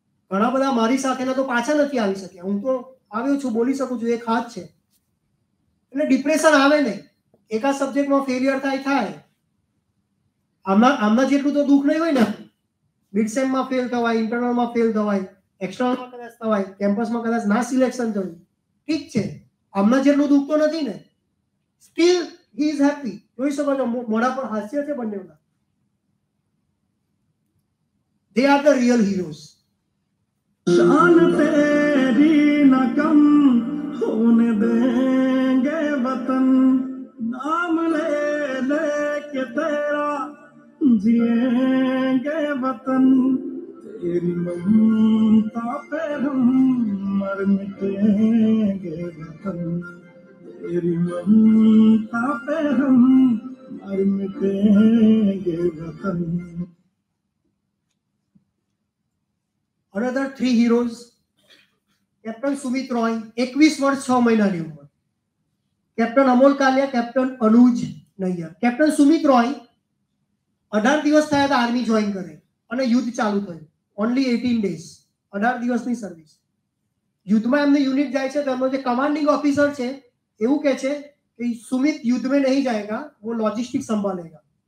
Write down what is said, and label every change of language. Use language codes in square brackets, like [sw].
[gu] ઘણા બધા મારી સાથેના તો પાછા નથી આવી શક્યા હું તો આવ્યો છું બોલી શકું છું એક હાથ છે એટલે ડિપ્રેશન આવે નહીં એકા સબ્જેક્ટમાં ફેલિયર થાય થાય આમના જેટલું તો દુઃખ નહીં હોય ને મિડસેમમાં ફેલ થવાય ઇન્ટરનલમાં ફેલ થવાય એક્સટર્નલમાં કદાચ થવાય કેમ્પસમાં કદાચ ના સિલેક્શન થયું ઠીક છે આમના જેટલું દુઃખ તો નથી ને [en] still he is happy [gu] જોઈ શકો છો મોઢા પર હાસ્ય છે બંને [en] they are the real heroes [hi] शान तेरी न कम खून देंगे वतन नाम ले ले के तेरा जिएंगे वतन तेरी ममता पे हम मर मिटेंगे वतन तेरी ममता पे हम मर मिटेंगे वतन [en] another three heroes [gu] captain Sumit Roy 21 વર્ષ 6 મહિનાની ઉંમર કેપ્ટન અમોલ કાલિયા કેપ્ટન અનુજ નૈયર કેપ્ટન સુમિત રોય 18 દિવસ થયા હતા આર્મી જોઈન કરે અને યુદ્ધ ચાલુ થયું [en] only 18 days [gu] 18 દિવસની સર્વિસ યુદ્ધમાં એમને યુનિટ જાય છે તો એમનો જે કમાન્ડિંગ ઓફિસર છે એવું કહે છે કે [hi] સુમિત યુદ્ધ મેં નહીં જાયગા વો લોજિસ્ટિક સંભાલેગા